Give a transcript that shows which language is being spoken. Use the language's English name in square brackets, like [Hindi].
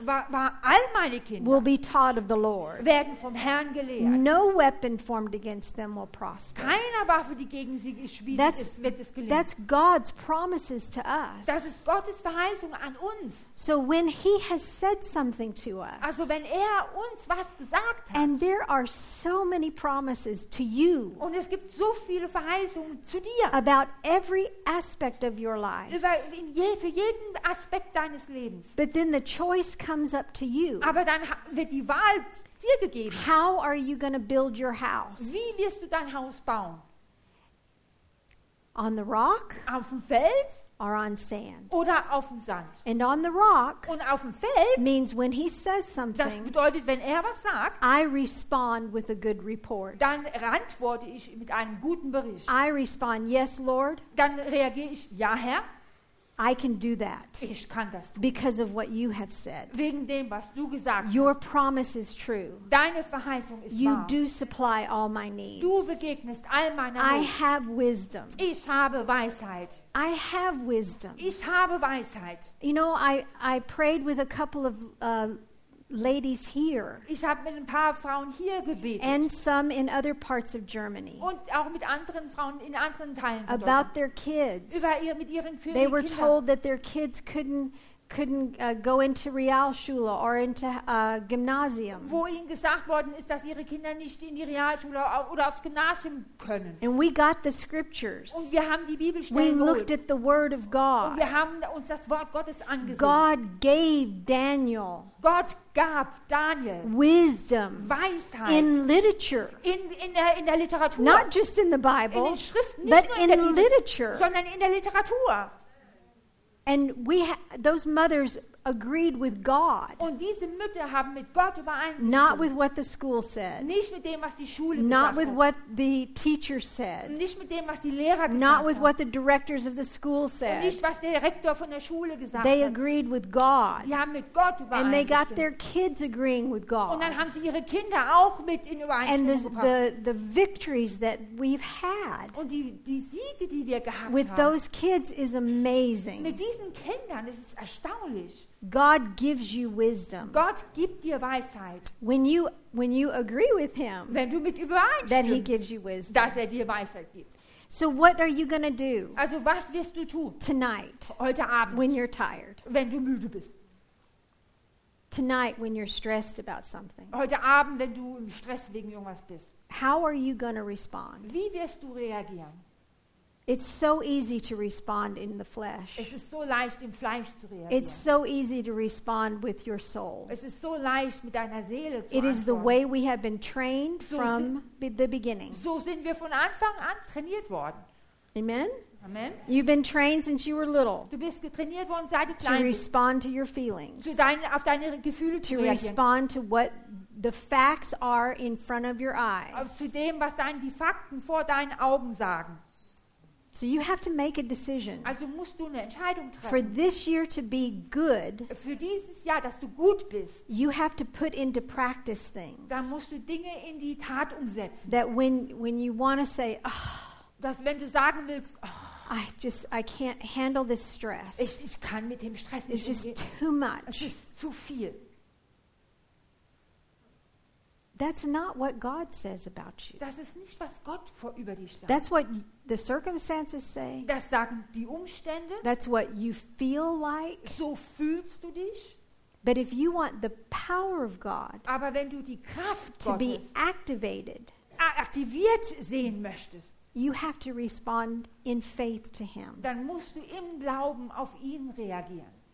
[German] war all meine Kinder [English] will be taught of the Lord. [German] Werden vom Herrn gelehrt. [English] No weapon formed against them will prosper. [German] Keine Waffe, die gegen sie geschmiedet ist, wird es gelingen. [English] That's God's promises to us. [German] Das ist Gottes Verheißung an uns. [English] So when he has said something to us. [German] Also wenn er uns was gesagt hat. [English] And there are so many promises to you. [German] Und es gibt so viele Verheißungen zu dir. [English] About every aspect of your life. [German] Für jeden Aspekt deines [English] But then the choice comes up to you. [German] Aber dann wird die Wahl dir gegeben. [English] How are you going to build your house? [German] Wie wirst du dein Haus bauen? [English] On the rock? [German] Auf dem Fels? [English] Or on sand? [German] Oder auf dem Sand? [English] And on the rock? [German] Und auf dem Fels? [English] Means when he says something. [German] Das bedeutet, wenn er was sagt. [English] I respond with a good report. [German] Dann antworte ich mit einem guten Bericht. [English] I respond, "Yes, Lord." [German] Dann reagiere ich, "Ja, Herr." [English] I can do that. [German] Ich kann das tun. [English] Because of what you have said. [German] Wegen dem, was du gesagt hast. [English] Your promise is true. [German] Deine Verheißung ist wahr. [English] You do supply all my needs. [German] Du begegnest all meine [English] I have wisdom. [German] Ich habe Weisheit. [English] I have wisdom. [German] Ich habe Weisheit. [English] You know, I prayed with a couple of ladies here. [German] Ich habe mit ein paar Frauen hier gebetet. [English] And some in other parts of Germany. [German] Und auch mit anderen Frauen in anderen Teilen von [English] Deutschland. About their kids. [German] Über ihr mit ihren Kindern. [English] They were told that their kids couldn't couldn't go into Realschule or into Gymnasium. [German] Wo ihnen gesagt worden ist, dass ihre Kinder nicht in die Realschule oder aufs Gymnasium können. [English] And we got the scriptures. [German] Und wir haben die Bibelstellen. [English] We looked at the word of God. [German] Und wir haben uns das Wort Gottes angesehen. [English] God gave Daniel. [German] Gott gab Daniel [English] wisdom, [German] Weisheit [English] in literature, [German] in der Literatur, [English] not just in the Bible, [German] in den Schriften, nicht [English] but [German] nur in der Bibel, [English] literature, [German] sondern in der Literatur. [English] And we those mothers agreed with God. [German] Und diese Mütter haben mit Gott übereingestimmt. [English] Not with what the school said. [German] Nicht mit dem, was die Schule gesagt hat. [English] Not with what the teacher said. [German] Nicht mit dem, was die Lehrer gesagt hat. [English] Not with what the directors of the school said. [German] Und nicht, was der Rektor von der Schule gesagt hat. [English] They agreed with God. [German] Die haben mit Gott übereingestimmt. [English] And they got their kids agreeing with God. [German] Und dann haben sie ihre Kinder auch mit in Übereinstimmung [English] and [German] gebracht. [English] And the victories that we've had. [German] Und die Siege, die wir gehabt haben. [English] With those kids is amazing. [German] Mit diesen Kindern ist es erstaunlich. [English] God gives you wisdom. [German] Gott gibt dir Weisheit. [English] When you agree with him, [German] wenn du mit übereinstimmst, [English] then he gives you wisdom. [German] Dass er dir Weisheit gibt. [English] So what are you going to do? [German] Also was wirst du tun? [English] Tonight. [German] Heute Abend. [English] When you're tired. [German] Wenn du müde bist. [English] Tonight when you're stressed about something. [German] Heute Abend, wenn du im Stress wegen irgendwas bist. [English] How are you going to respond? [German] Wie wirst du reagieren? [English] It's so easy to respond in the flesh. [German] Es ist so leicht im Fleisch zu reagieren. [English] It's so easy to respond with your soul. [German] Es ist so leicht mit deiner Seele zu [English] it [German] antworten. [English] Is the way we have been trained so from the beginning. [German] So sind wir von Anfang an trainiert worden. [English] Amen. [German] Amen. [English] You've been trained since you were little. [German] Du bist getrainiert worden seit du klein [English] to respond to your feelings. [German] Zu deinen auf deine Gefühle [English] to [German] zu reagieren. [English] Respond to what the facts are in front of your eyes. [German] Zu dem, was dann die Fakten vor deinen Augen sagen. [English] So you have to make a decision. [German] Also musst du eine Entscheidung treffen. [English] For this year to be good, [German] für dieses Jahr, dass du gut bist, [English] you have to put into practice things. [German] Dann musst du Dinge in die Tat umsetzen. [English] That when you want to say, oh, [German] dass wenn du sagen willst, oh, [English] I can't handle this stress. [German] Ich kann mit dem Stress nicht umgehen. [English] It's just too much. [German] Es ist zu viel. [English] That's not what God says about you. [German] Das ist nicht, was Gott vor über dich sagt. [English] That's what the circumstances say. [German] Das sagen die Umstände. [English] That's what you feel like. [German] So fühlst du dich. [English] But if you want the power of God, [German] aber wenn du die Kraft [English] to be activated, [German] aktiviert sehen möchtest, [English] you have to respond in faith to him. [German] Dann musst du im Glauben auf ihn reagieren.